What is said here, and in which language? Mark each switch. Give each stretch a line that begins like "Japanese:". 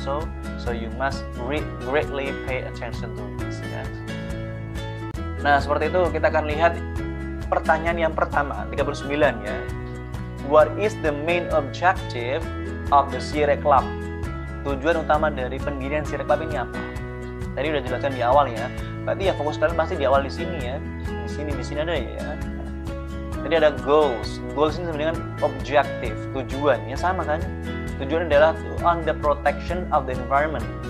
English: So you must greatly pay attention to this ya.
Indonesian: Nah, seperti itu kita akan lihat pertanyaan yang pertama, 39 ya.
English: What is the main objective of the Sierra Club?
Indonesian: Tujuan utama dari pendirian Sierra Club ini apa? Tadi udah jelaskan di awal ya. Berarti ya fokus kalian pasti di awal di sini ya. Di sini ada ya. Jadi ada goals. Goals ini sama dengan objective, tujuan ya, sama kan? Tujuannya adalah
English: on the protection of the environment.